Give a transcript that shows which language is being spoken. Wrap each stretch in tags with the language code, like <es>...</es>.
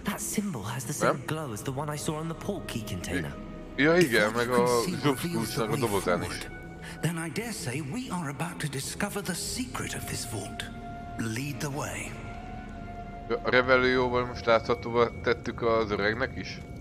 <en>That symbol has the same glow as the one I saw on the porky container.</en> <hu>Ja, igen, meg a zsupszkulcsnak a dobozán is.</hu> <en>Then I dare say we are about to discover the secret of this vault. Lead the way.</en> <hu>Ja, a Revelióval most láthatóba tettük az öregnek is.</hu>